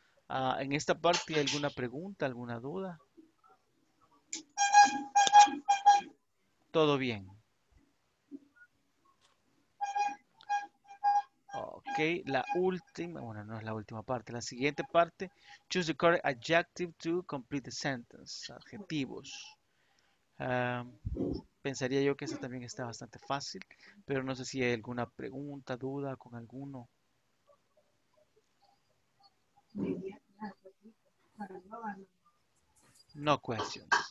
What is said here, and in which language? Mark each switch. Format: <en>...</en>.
<es>En esta parte, ¿alguna pregunta, alguna duda? ¿Todo bien? Ok, la última, bueno, no es la última parte, la siguiente parte.</es> <en>Choose the correct adjective to complete the sentence.</en> <es>Adjetivos. Pensaría yo que eso también está bastante fácil, pero no sé si hay alguna pregunta, duda con alguno.</es> <en>No questions.</en>